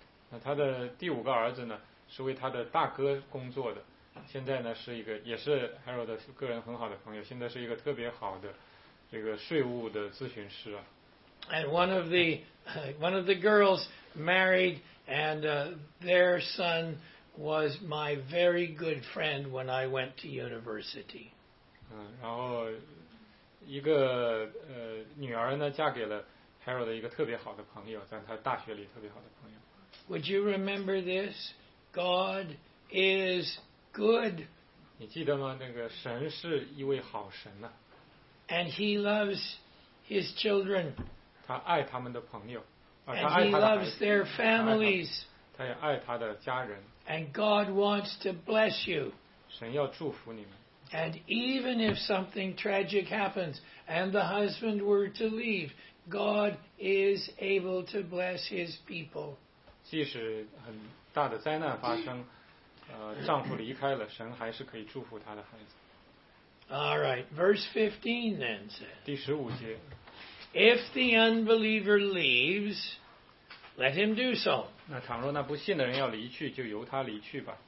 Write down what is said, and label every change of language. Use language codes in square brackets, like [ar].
[zh] 那他的第五个儿子呢，是为他的大哥工作的。现在呢是一个也是 Harold 的个人很好的朋友，现在是一个特别好的这个税务的咨询师啊。 [en] And one of the girls married, and their son was my very good friend when I went to university. [zh] 然后一个女儿呢嫁给了 Harold 的一个特别好的朋友，在他大学里特别好的朋友。 [en] Would you remember this? God is good. [zh] 你记得吗？那个神是一位好神呢。 [en] And he loves his children. [zh] 他爱他们的朋友。 [en] And he loves their families. [zh] 他也爱他的家人。 [en] And God wants to bless you. [zh] 神要祝福你们。 [en] And even if something tragic happens and the husband were to leave, God is able to bless his people. [zh] 即使很大的灾难发生, 丈夫离开了, 神还是可以祝福他的孩子。 [en] All right, verse 15 then says, [zh] 第十五节, [en] if the unbeliever leaves, let him do so. [zh] 那倘若那不信的人要离去，就由他离去吧。